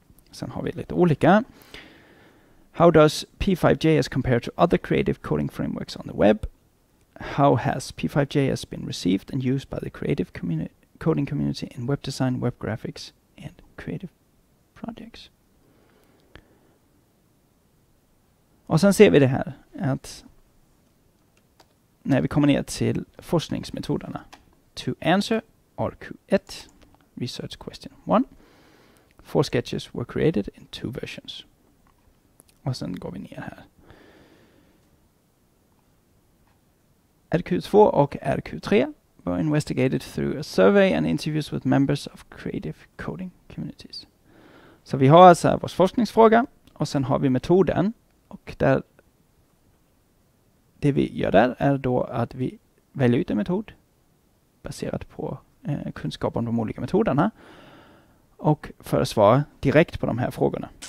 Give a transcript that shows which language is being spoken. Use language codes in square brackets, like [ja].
[sv] Sen har vi lite olika. [en] How does P5.js compare to other creative coding frameworks on the web? How has P5.js been received and used by the creative coding community in web design, web graphics and creative projects? [sv] Och sen ser vi det här att när vi kommer ner till forskningsmetoderna. [en] To answer RQ1, research question 1. 4 sketches were created in 2 versions. [sv] Och sen går vi ner här. [en] RQ2 och RQ3 were investigated through a survey and interviews with members of creative coding communities. [sv] Så vi har alltså vår forskningsfråga och sen har vi metoden och där. Det vi gör där är då att vi väljer ut en metod baserat på kunskap om de olika metoderna och för att svara direkt på de här frågorna.